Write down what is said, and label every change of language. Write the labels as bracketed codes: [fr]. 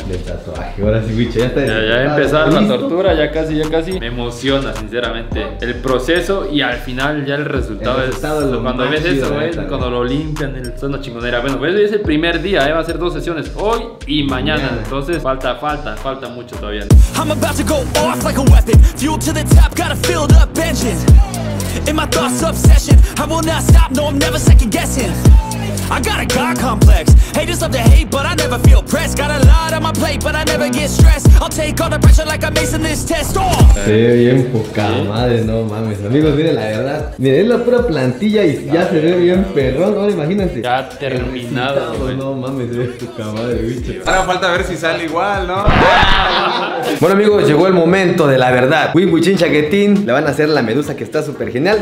[es] De tatuaje. Ahora sí, Wicho, ya está. Ya empezaron la tortura, ya casi. Me emociona, sinceramente, el proceso y al final ya el resultado es lo cuando ves chido, eso, ¿ves? Cuando lo limpian, es una chingonera. Bueno, pues es el primer día, va a ser 2 sesiones, hoy y mañana. Yeah. Entonces, falta mucho todavía. [en] I'm about to go off like a weapon, fueled to the top, gotta fill the benches. In my thoughts obsession, I will not stop, no I'm never second guessing. I got a God complex, haters love to hate but I never feel pressed. Got a lot on my plate but I never get stressed. I'll take all the pressure like I'm acing this test. [es] Se ve bien poca madre, no mames. Amigos, miren, la verdad, miren, es la pura plantilla y ya se ve bien perrón, ¿no? Imagínense. Ya terminado, no mames, es poca madre, bicho. Ahora falta ver si sale igual, ¿no? Bueno, amigos, llegó el momento de la verdad. Wingwichin Chaquetín le van a hacer la medusa, que está súper genial.